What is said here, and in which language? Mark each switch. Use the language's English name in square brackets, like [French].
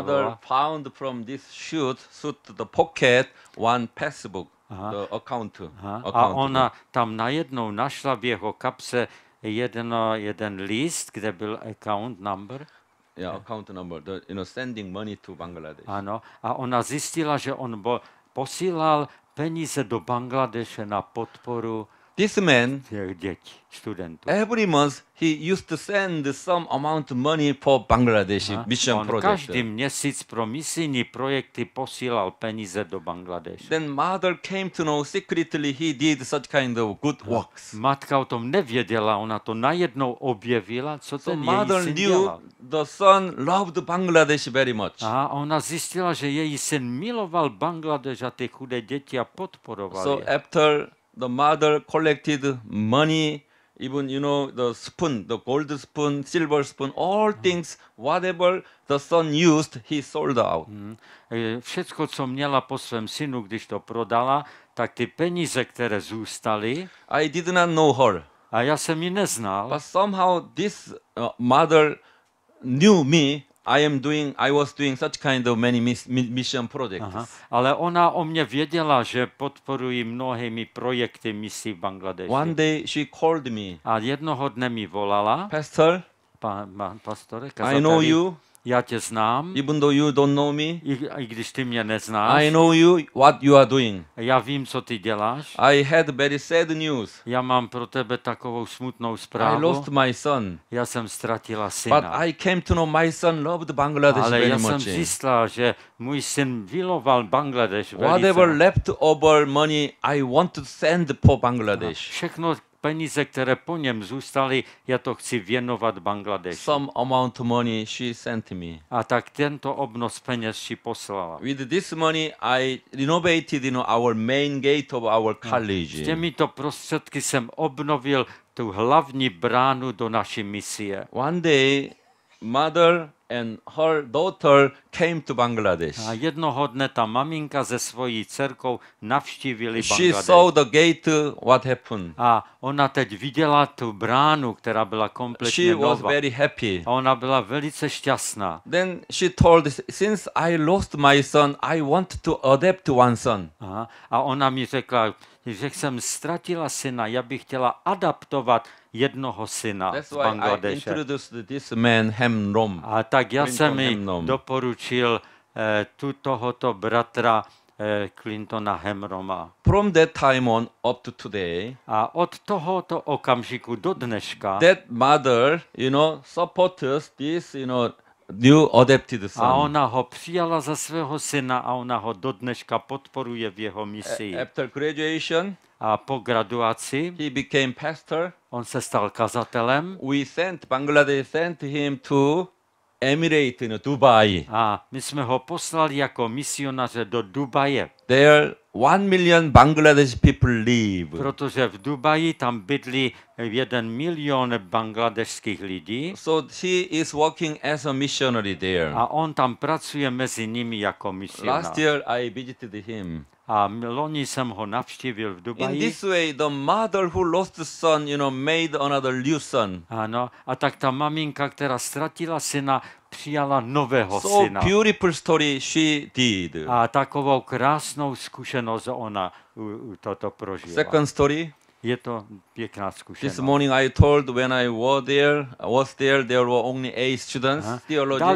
[English] Mother found from this suit the pocket one passbook, the account. [Czech] A ona tam najednou našla v jeho kapse jeden list, kde byl account number. [English] Yeah, account number, the, you know, sending money to Bangladesh. [Czech] Ano, a ona zjistila, že on posílal peníze do Bangladeše na podporu [English] This man, [Czech] těch dětí, studentů. [English] Every month he used to send some amount of money for Bangladesh mission project. [Czech] Každý měsíc pro misijní projekty posílal peníze do Bangladeše. [English] Then mother came to know secretly he did such kind of good works. [Czech] Matka o tom nevěděla, ona to najednou objevila, co ten její syn knew dělal. [English] The son loved Bangladesh very much. [Czech] A ona zjistila, že její syn miloval Bangladeš a ty chudé děti a podporoval [English] so [Czech] je. [English] After the mother collected money, even you know the spoon, the gold spoon, silver spoon, all things, whatever the son used, he sold out. [Czech] Všecko, co měla po svém synu, když to prodala, tak ty peníze, které zůstaly. [English] I did not know her. [Czech] A já jsem ji neznal. [English] But somehow this mother knew me. I was doing such kind of many mission projects. [Czech] Aha. Ale ona o mě věděla, že podporuji mnohými projekty misí v Bangladeši. [English] One day she called me. [Czech] A jednoho dne mi volala. [English] Pastor, [Czech] pastore, [English] I know you. [Czech] Já tě znám. [English] Even though you don't know me. [Czech] I když ty mě neznáš. [English] I know you, what you are doing. [Czech] Já vím, co ty děláš. [English] I had very sad news. [Czech] Já mám pro tebe takovou smutnou zprávu. [English] I lost my son. [Czech] Já jsem ztratila syna. [English] But I came to know my son loved Bangladesh very much. [Czech] Ale já jsem zjistila, že můj syn miloval Bangladesh velice. [English] Whatever left over money, I want to send po Bangladesh. [Czech] Všechno peníze, které po něm zůstaly, já to chci věnovat Bangladeši. [English] Some amount of money she sent me. [Czech] A tak tento obnos peněz si poslala. [English] With this money I renovated, you know, our main gate of our college. [Czech] S těmito prostředky jsem obnovil tu hlavní bránu do naší misie. [English] One day mother and her daughter came to Bangladesh. [Czech] A jednoho dne ta maminka se svojí dcerkou navštívili [English] Bangladesh. She saw the gate, what happened. [Czech] A ona teď viděla tu bránu, která byla kompletně [English] she [Czech] nová. [English] She was very happy. [Czech] A ona byla velice šťastná. [English] Then she told, since I lost my son, I want to adopt one son. [Czech] A ona mi řekla, že jsem ztratila syna, já bych chtěla adaptovat jednoho syna z Bangladeše. [English] That's why I introduced this man, Hem Rom. [Czech] A tak já jsem jí doporučil tu tohoto bratra Clintona Hemroma. [English] From that time on up to today. [Czech] A od tohoto okamžiku do dneška. [English] That mother, you know, supports this, you know, new adopted son. [Czech] A ona ho přijala za svého syna a ona ho do dneška podporuje v jeho misii. [English] After graduation. [Czech] A po graduaci. [English] He became pastor. [Czech] On se stal kazatelem. [English] We sent Bangladesh sent him to Emirate in Dubai. [Czech] A my jsme ho poslali jako misionáře do Dubaje. [English] There 1 million Bangladesh people live. [Czech] Protože v Dubaji tam bydlí 1 milion bangladeshských lidí. [English] So he is working as a missionary there. [Czech] A on tam pracuje mezi nimi jako misionář. [English] Last year I visited him. [Czech] A loni jsem ho navštívil v Dubaji. [English] In this way, the mother who lost son, you know, made another new son. [Czech] Ano, a tak ta maminka, která ztratila syna, přijala nového syna. [English] So beautiful story she did. [Czech] A takovou krásnou zkušenost ona toto prožila. [English] Second story. [Czech] Je to pěkná zkušenost. [English] This morning I told when I was there, there were only 8 students, theologians.